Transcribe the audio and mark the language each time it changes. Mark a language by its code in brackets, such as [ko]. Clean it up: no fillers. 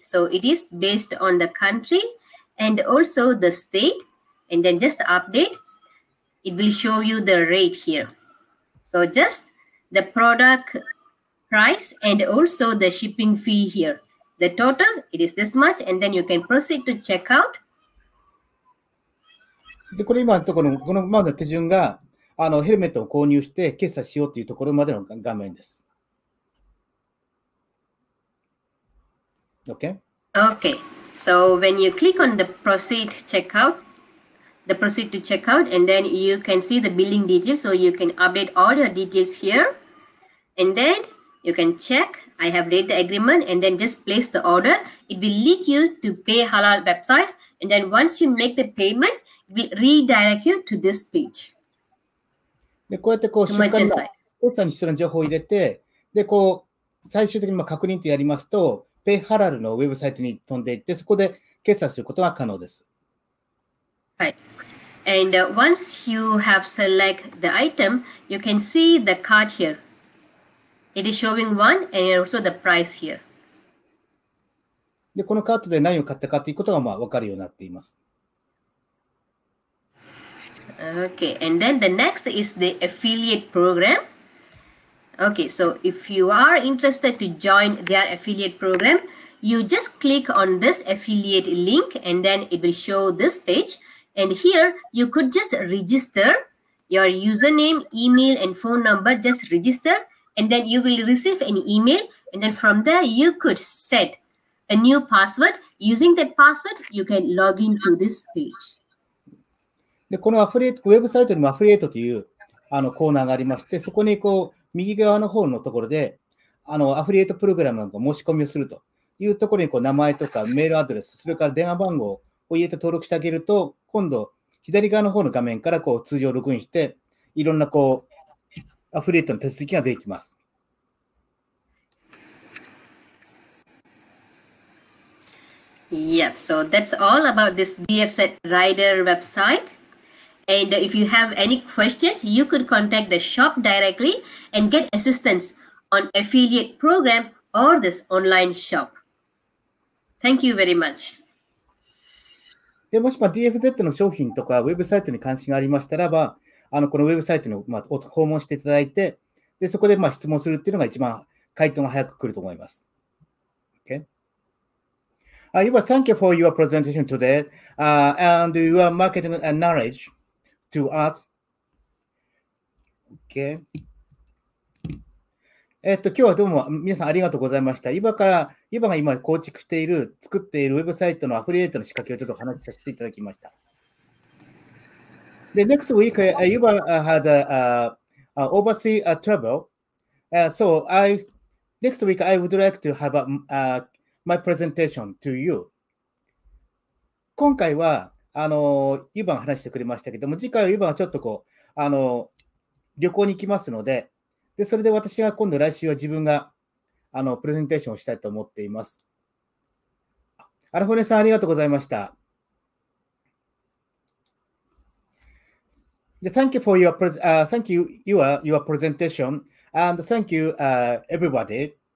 [en] So it is based on the country and also the state. And then just update, it will show you the rate here. So just the product price and also the shipping fee here. The total, it is this much. And then you can proceed to check out. [ja] で、これ今のところ、このまだ手順が、あのヘルメットを購入して決済しようというところまでの画面です。 [en] Okay, so when you click on the proceed checkout, the proceed to checkout, and then you can see the billing details, so you can update all your details here, and then you can check, I have read the agreement, and then just place the order. It will lead you to PayHalal website, and then once you make the payment, it will redirect you to this page. [ja] で、こうやってこう、瞬間に、お客さんに必要な情報を入れて、で、こう、最終的に確認とやりますと、ペイハラルのウェブサイトに飛んでいって、そこで決済することが可能です。はい。 [en] And once you have select the item, you can see the cart here. It is showing one and also the price here. [ja] で、このカートで何を買ったかということがまあ分かるようになっています。 [en] Okay. And then the next is the affiliate program. Okay, so if you are interested to join their affiliate program, you just click on this affiliate link and then it will show this page. And here you could just register your username, email, and phone number, just register, and then you will receive an email. And then from there, you could set a new password. Using that password, you can log into this page. [ja] で、このアフリエイト、ウェブサイトにもアフリエイトというあのコーナーがありまして、そこにこう、右側の方のところで、あのアフリエイトプログラムの申し込みをするというところにこう名前とかメールアドレス、それから電話番号を入れて登録してあげると、今度、左側の方の画面からこう通常ログインして、いろんなこうアフリエイトの手続きができます。 [en] Yep, so that's all about this DFZ Rider website. And if you have any questions, you could contact the shop directly and get assistance on affiliate program or this online shop. Thank you very much. [ja] でもしも DFZ の商品とかウェブサイトに関心がありましたらば、このウェブサイトに、を訪問していただいて、でそこで質問するっていうのが一番回答が早く来ると思います。 [en] Okay. Yuba, thank you for your presentation today, and your marketing knowledge to us. Okay. [ja] 今日はどうも皆さんありがとうございました。今が今構築している、作っているウェブサイトのアフィリエイトの仕掛けをちょっと話させていただきました。 [en] で、next week, Yuba had a overseas travel. So, next week, I would like to have my presentation to you. [ja] 今回は、Yuba が話してくれましたけども、次回は Yuba がちょっとこう、旅行に行きますので、でそれで私が今度来週は自分がプレゼンテーションをしたいと思っています。アラフォネさんありがとうございました。 [en] Thank you for your thank you your presentation and thank you everybody.